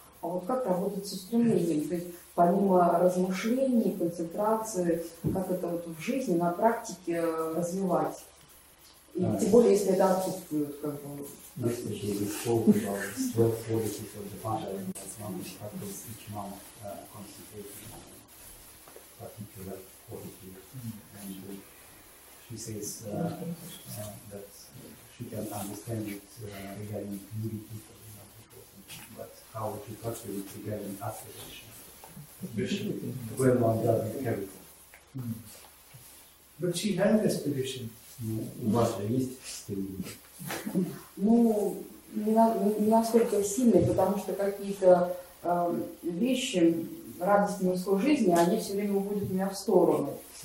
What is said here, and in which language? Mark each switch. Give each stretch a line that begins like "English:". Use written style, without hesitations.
Russian: А вот как работать с устремлением? То есть помимо размышлений, концентрации, как это вот в жизни, на практике развивать? И тем более, если это отсутствует, как бы. Если же вы сходите в депанжаре, с вами как-то включено концентрируется на практике, да, входите.
English: She says that she can understand it regarding community, for example, but how to practice it regarding aspiration, when one doesn't have it. But she has aspiration.
Russian: У вас же есть стремление? Ну, не настолько сильные, потому что какие-то вещи, радости мужской жизни, они все время уводят меня в сторону.